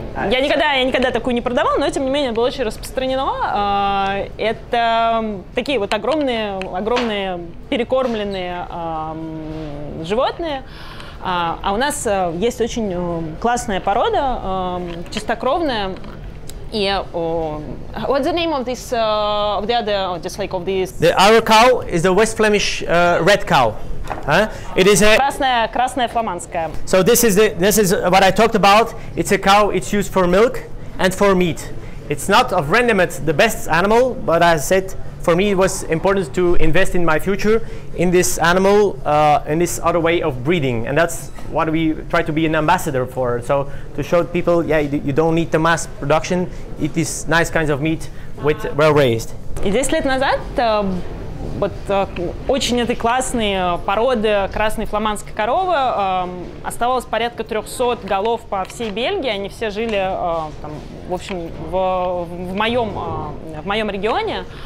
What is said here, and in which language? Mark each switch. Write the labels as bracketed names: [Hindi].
[Russian] Я никогда такую не продавал, но тем не менее было очень распространено. Это такие вот огромные перекормленные животные. А у нас есть очень классная порода, чистокровная. И [English] what's the name of this of the other of this like of this? The our cow is the West Flemish red cow. It is a [Russian] красная фламандская. [English] So this is what I talked about. It's a cow. It's used for milk and for meat. It's not of random. It's the best animal. But as I said, for me, it was important to invest in my future in this animal, in this other way of breeding. And that's what we try to be an ambassador for. So to show people, yeah, you don't need the mass production. It is nice kinds of meat with well raised. [Russian] 10 лет назад. Вот очень этой классной породы красной фламандской коровы оставалось порядка 300 голов по всей Бельгии. Они все жили, там, в общем, в моем регионе.